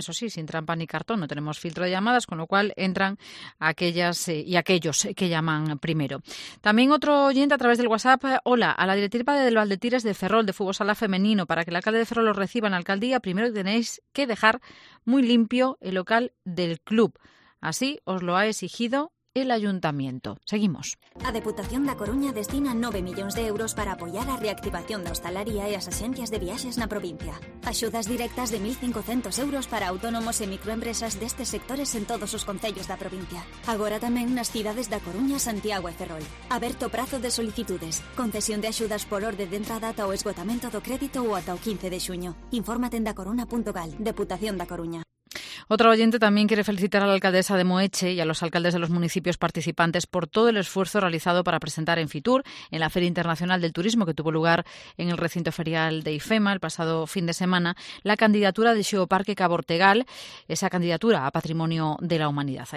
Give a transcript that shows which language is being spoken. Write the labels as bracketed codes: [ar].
[es] Eso sí, sin trampa ni cartón, no tenemos filtro de llamadas, con lo cual entran aquellas y aquellos que llaman primero. También otro oyente a través del WhatsApp: hola, a la directiva del Valdetires de Ferrol, de Fútbol Sala Femenino, para que el alcalde de Ferrol lo reciba en la alcaldía, primero tenéis que dejar muy limpio el local del club. Así os lo ha exigido el ayuntamiento. Seguimos. [gl] A Deputación da Coruña destina 9 millóns de euros para apoiar a reactivación da hostalaría e as axencias de viaxes na provincia. Axudas directas de 1.500 euros para autónomos e microempresas destes sectores en todos os concellos da provincia. Agora tamén nas cidades da Coruña, Santiago e Ferrol. Aberto prazo de solicitudes. Concesión de axudas por orde de entrada ata o esgotamento do crédito ou ata o 15 de xuño. Infórmate en dacoruña.gal. Deputación da Coruña. [es] Otro oyente también quiere felicitar a la alcaldesa de Moeche y a los alcaldes de los municipios participantes por todo el esfuerzo realizado para presentar en Fitur, en la Feria Internacional del Turismo, que tuvo lugar en el recinto ferial de IFEMA el pasado fin de semana, la candidatura de Xeoparque Cabo Ortegal, esa candidatura a Patrimonio de la Humanidad.